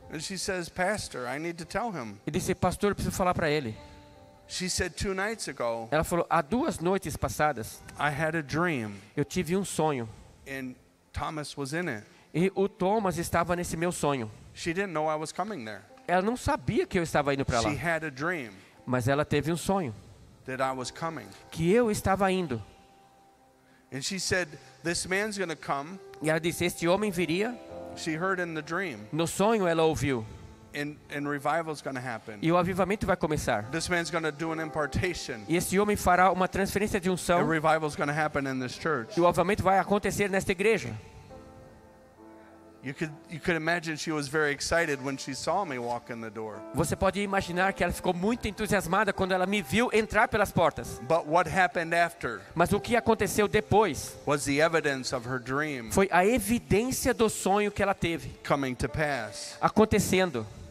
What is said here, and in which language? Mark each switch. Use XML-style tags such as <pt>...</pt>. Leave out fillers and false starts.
<en>And she says, "Pastor, I need to tell him."</en> <pt>E disse, pastor, eu preciso falar para ele.</pt> <en>She said, "Two nights ago."</en> <pt>Ela falou, há duas noites passadas.</pt> <en>I had a dream.</en> <pt>Eu tive um sonho.</pt> <en>And Thomas was in it.</en> <pt>E o Thomas estava nesse meu sonho.</pt> <en>She didn't know I was coming there.</en> <pt>Ela não sabia que eu estava indo para lá.</pt> <en>She had a dream.</en> <pt>Mas ela teve um sonho.</pt> <en>That I was coming.</en> <pt>Que eu estava indo.</pt> <en>And she said, "This man's going to come."</en> <pt>E ela disse, este homem viria.</pt> <en>She heard in the dream.</en> <pt>No sonho ela ouviu.</pt> <en>And revival is going to happen.</en> <pt>E o avivamento vai começar.</pt> <en>This man's going to do an impartation.</en> <pt>E esse homem fará uma transferência de unção.</pt> <en>And revival is going to happen in this church.</en> <pt>E o avivamento vai acontecer nesta igreja.</pt> <en>You could imagine she was very excited when she saw me walk in the door.</en> <pt>Você pode imaginar que ela ficou muito entusiasmada quando ela me viu entrar pelas portas.</pt> <en>But what happened after?</en> <pt>Mas o que aconteceu depois?</pt> <en>Was the evidence of her dream?</en> <pt>Foi a evidência do sonho que ela teve.</pt> <en>Coming to pass.</en> <pt>Acontecendo.</pt>